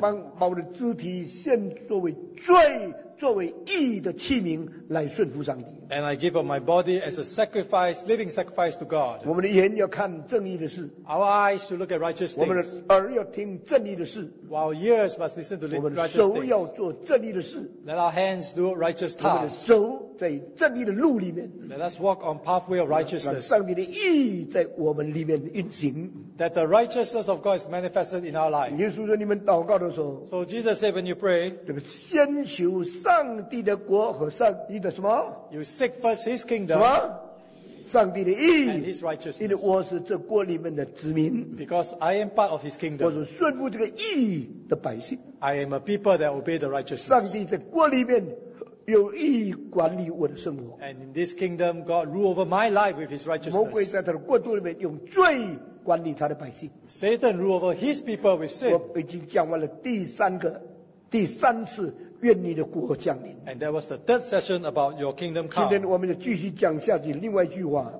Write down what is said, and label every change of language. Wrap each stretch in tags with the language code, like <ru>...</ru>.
<zh>我把我的肢体献作为罪, 作为义的器皿,</zh> <en>and I give up my body as a sacrifice, living sacrifice to God. Our eyes should look at righteous things. Our ears must listen to righteous things. Let our hands do righteous tasks. Let us walk on pathway of righteousness. That the righteousness of God is manifested in our life.</en> <zh>耶稣说你们祷告的时候,</zh> <en>so Jesus said when you pray,</en> <zh>这个先求上帝的国和上帝的什么?</zh> <en>You seek first His kingdom.</en> <zh>什么?上帝的义,</zh> <en>and His righteousness. Because I am part of His kingdom.</en> <zh>我是顺服这个义的百姓,</zh> <en>I am a people that obey the righteousness.</en> <zh>上帝在国里面, 有义管理我的生活,</zh> <en>and in this kingdom, God rule over my life with His righteousness.</en> <zh>魔鬼在他的国度里面用罪,</zh> <en>Satan rule over his people with sin.</en> <zh>我已经讲完了第三个，第三次愿你的国降临。</zh> <en>And that was the third session about your kingdom come.</en> <zh>今天我们就继续讲下去另外一句话。</zh>